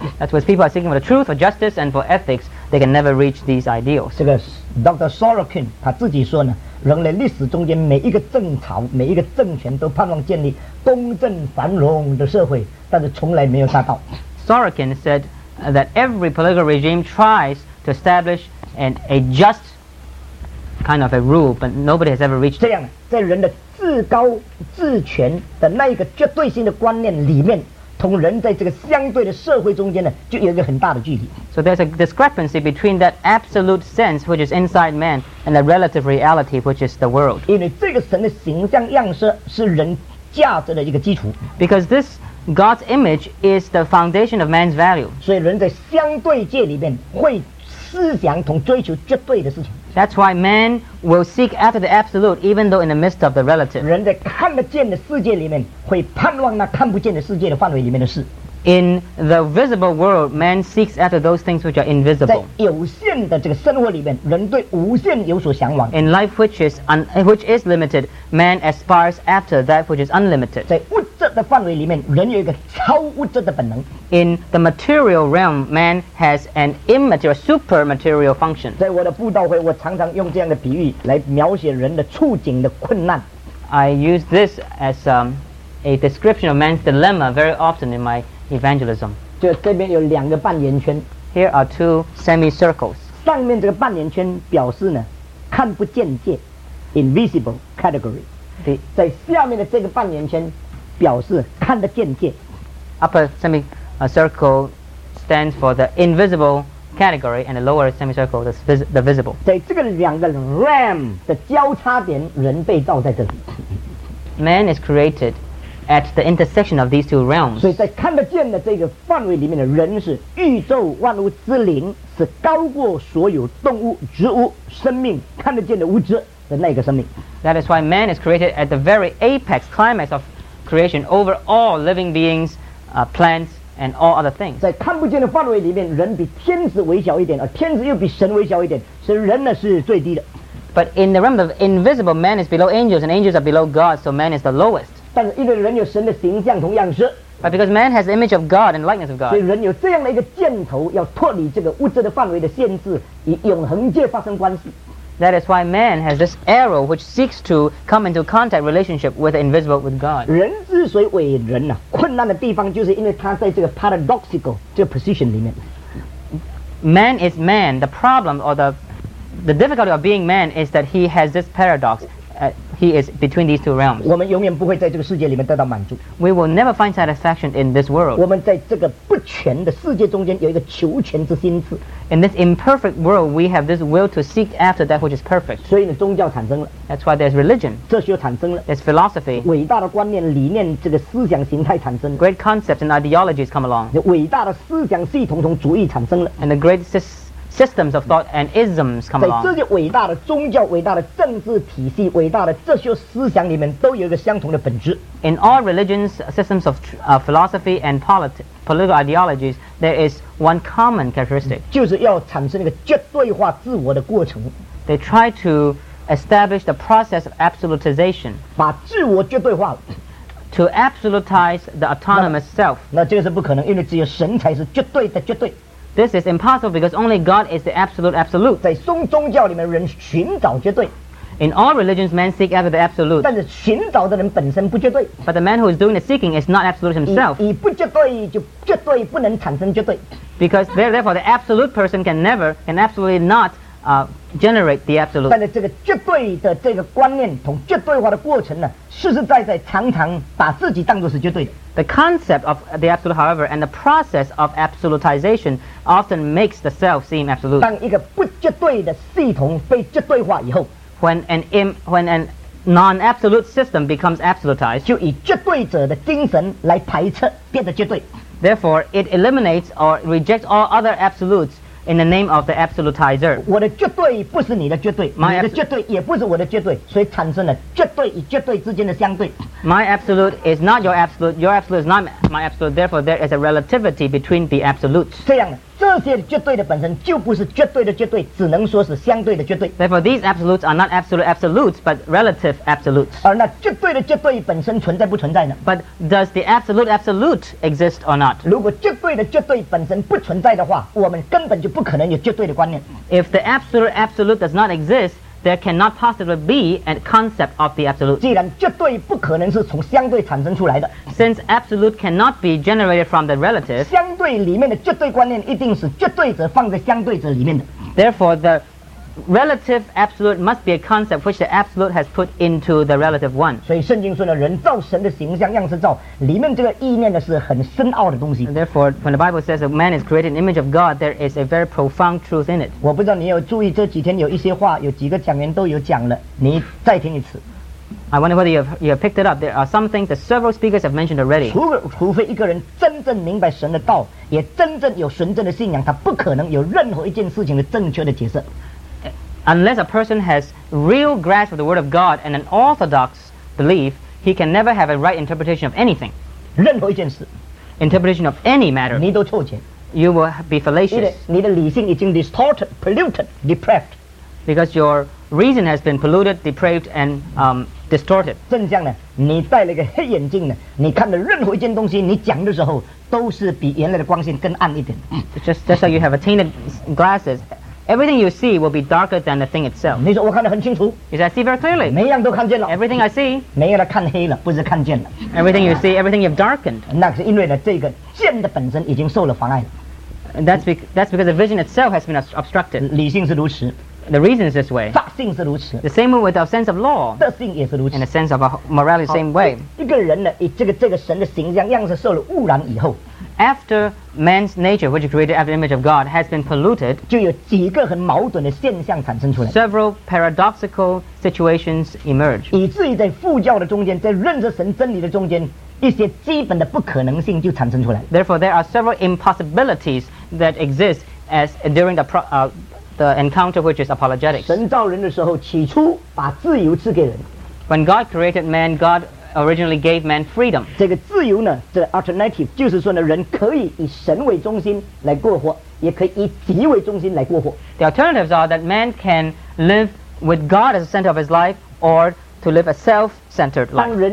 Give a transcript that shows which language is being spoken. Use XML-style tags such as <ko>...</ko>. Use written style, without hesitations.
<en>That's because people are seeking for the truth, for justice, and for ethics. They can never reach these ideals.</en> <zh>这个 Dr. Sorokin 他自己说呢，人类历史中间每一个政朝、每一个政权都盼望建立公正繁荣的社会，但是从来没有达到。</zh> <en>Sorokin said that every political regime tries to establish a just kind of a rule, but nobody has ever reached</en> <zh>这样, 在人的至高至全的那一个绝对性的观念里面, 同人在这个相对的社会中间呢, 就有一个很大的距离。</zh> <en>So there's a discrepancy between that absolute sense which is inside man and the relative reality which is the world.</en> <zh>因为这个神的形象样式是人价值的一个基础。</zh> <en>Because this God's image is the foundation of man's value.</en> <zh>所以人在相对界里面会思想同追求绝对的事情。</zh> <en>That's why man will seek after the absolute even though in the midst of the relative.</en> <zh>人在看得见的世界里面会盼望那看不见的世界的范围里面的事。</zh> <en>In the visible world, man seeks after those things which are invisible.</en> <zh>在有限的这个生活里面，人对无限有所向往。</zh> <en>In life which is limited, man aspires after that which is unlimited.</en> <zh>在物质的范围里面，人有一个超物质的本能。</zh> <en>In the material realm, man has an immaterial, super material function.</en> <zh>在我的布道会，我常常用这样的比喻来描写人的处境的困难。</zh> <en>I use this as a description of man's dilemma very often in my evangelism.</en> <zh>就这边有两个半圆圈。</zh> <en>Here are two semicircles.</en> <zh>上面这个半圆圈表示呢，看不见界 ，</zh> <en>invisible category.</en> <zh>在下面的这个半圆圈表示看得见界。</zh> <en>Upper semicircle stands for the invisible category, and the lower semicircle is the visible.</en> <zh>在这个两个 realm 的交叉点，人被造在这里。</zh> <en>Man is created. At the intersection of these two realms.</en> <zh>所以在看得见的这个范围里面的人是宇宙万物之灵，是高过所有动物、植物、生命看得见的物质的那个生命。</zh> <en>That is why man is created at the very apex, climax of creation over all living beings, plants, and all other things.</en> <zh>在看不见的范围里面，人比天使微小一点，而天使又比神微小一点，所以人呢是最低的。</zh> <en>But in the realm of invisible, man is below angels, and angels are below God, so man is the lowest.</en> <zh>但是因为人有神的形象同样式</zh> <en>But because man has the image of God and likeness of God</en> <zh>所以人有这样的一个箭头要脱离这个物质的范围的限制与永恒界发生关系</zh> <en>That is why man has this arrow which seeks to come into contact relationship with the invisible with God</en> <zh>人之所以为人、啊、困难的地方就是因为他在这个 paradoxical 这个 position 里面</zh> <en>Man is man The problem or the difficulty of being man is that he has this paradoxHe is between these two realms.</en> <zh>我们永远不会在这个世界里面得到满足。</zh> <en>We will never find satisfaction in this world.</en> <zh>我们在这个不全的世界中间有一个求全之心智。</zh> <en>In this imperfect world, we have this will to seek after that which is perfect.</en> <zh>所以呢，宗教产生了。</zh> <en>That's why there's religion.</en> <zh>哲学产生了。</zh> <en>There's philosophy.</en> <zh>伟大的观念、理念、这个思想形态产生了。</zh> <en>Great concepts and ideologies come along.</en> <zh>伟大的思想系统同主义产生了。</zh> <en>And the great systems of thought and isms come along.</en> <zh>在这些伟大的宗教、伟大的政治体系、伟大的哲学思想里面，都有一个相同的本质。</zh> <en>In all religions, systems of philosophy and political ideologies, there is one common characteristic.</en> <zh>就是要产生一个绝对化自我的过程。</zh> <en>They try to establish the process of absolutization.</en> <zh>把自我绝对化。</zh> <en>To absolutize the autonomous self.</en> <zh>那这个是不可能，因为只有神才是绝对的绝对。</zh> <en>This is impossible because only God is the absolute absolute.</en> <zh>在宗教里面，人寻找绝对。</zh> <en>In all religions, men seek after the absolute.</en> <zh>但是寻找的人本身不绝对。</zh> <en>But the man who is doing the seeking is not absolute himself.</en> <zh>以不绝对就绝对不能产生绝对。</zh> <en>Because therefore, the absolute person can absolutely not, generate the absolute.</en> <zh>但是这个绝对的这个观念同绝对化的过程呢，实实在在常常把自己当作是绝对的。</zh> <en>The concept of the absolute, however, and the process of absolutization often makes the self seem absolute.</en> <zh>当一个不绝对的系统被绝对化以后</zh> <en>when a non-absolute system becomes absolutized,</en> <zh>就以绝对者的精神来排斥变得绝对。</zh> <en>Therefore, it eliminates or rejects all other absolutes in the name of the absolutizer.</en> <zh>我的绝对不是你的绝对，你的绝对也不是我的绝对，所以产生了绝对与绝对之间的相对。</zh> <en>My absolute is not your absolute, your absolute is not my absolute, therefore there is a relativity between the absolutes.</en> <zh>这样的，这些绝对的本身就不是绝对的绝对，只能说是相对的绝对。</zh> <en>Therefore these absolutes are not absolute absolutes, but relative absolutes.</en> <zh>而那绝对的绝对本身存在不存在呢？</zh> <en>But does the absolute absolute exist or not?</en> <zh>如果绝对的绝对本身不存在的话，我们根本就不可能有绝对的观念。</zh> <en>If the absolute absolute does not exist,There cannot possibly be a concept of the absolute.</en> <zh>既然绝对不可能是从相对产生出来的</zh> <en>Since absolute cannot be generated from the relative,</en> <zh>相对里面的绝对观念一定是绝对者放在相对者里面的</zh> <en>Therefore, the relative absolute must be a concept which the absolute has put into the relative one.</en> <zh>所以圣经说呢，人造神的形象，样式造，里面这个意念呢是很深奥的东西</zh> <en>Therefore, when the Bible says a man is created in the image of God, there is a very profound truth in it.</en> <zh>我不知道你有注意这几天有一些话，有几个讲员都有讲了，你再听一次。</zh> <en>I wonder whether you have picked it up. There are some things that several speakers have mentioned already.</en> <zh>除非一个人真正明白神的道, 也真正有神真的信仰, 他不可能有任何一件事情的正确的解释。</zh> <en>Unless a person has real grasp of the Word of God and an orthodox belief, he can never have a right interpretation of anything.</en> <zh>任何一件事,</zh> <en>interpretation of any matter,</en> <zh>你都错解,</zh> <en>you will be fallacious.</en> <zh>你的理性已经</zh> <en>distorted, polluted, depraved. Because your reason has been polluted, depraved, and distorted.</en> <zh>正像呢, 你戴了一个黑眼镜呢, 你看的任何一件东西, 你讲的时候, 都是比原来的光线更暗一点。</zh> <en>Just like you have a tinted glasses, everything you see will be darker than the thing itself.</en> <zh>你说我看得很清楚?</zh> <en>You say, I see very clearly.</en> <zh>每样都看见了,</zh> <en>everything I see.</en> <zh>没有了看黑了, 不是看见了。</zh> <en>Everything you see, everything you've darkened.</en> <zh>那是因为呢, 这个见的本身已经受了妨碍了。</zh> <en>That's because the vision itself has been obstructed.</en> <zh>理性是如此。</zh> <en>The reason is this way.</en> <zh>法性是如此。</zh> <en>The same way with our sense of law.</en> <zh>德性也是如此。</zh> <en>And the sense of morality, the same way.</en> <zh>一个人呢, 以这个神的形象样式受了污染以后,</zh> <en>after man's nature, which is created after the image of God, has been polluted,</en> <zh>就有几个很矛盾的现象产生出来,</zh> <en>several paradoxical situations emerge,</en> <zh>以至于在父教的中间, 在认识神真理的中间, 一些基本的不可能性就产生出来,</zh> <en>therefore there are several impossibilities that exist as during the encounter which is apologetics.</en> <zh>神造人的时候, 起初把自由赐给人,</zh> <en>when God created man, God originally gave man freedom.</en> <zh>这个自由呢,</zh> <en>the alternative,</en> <zh>就是说呢, 人可以以神为中心来过活, 也可以以己为中心来过活。</zh> <en>The alternatives are that man can live with God as the center of his life, or to live a self-centered life.</en>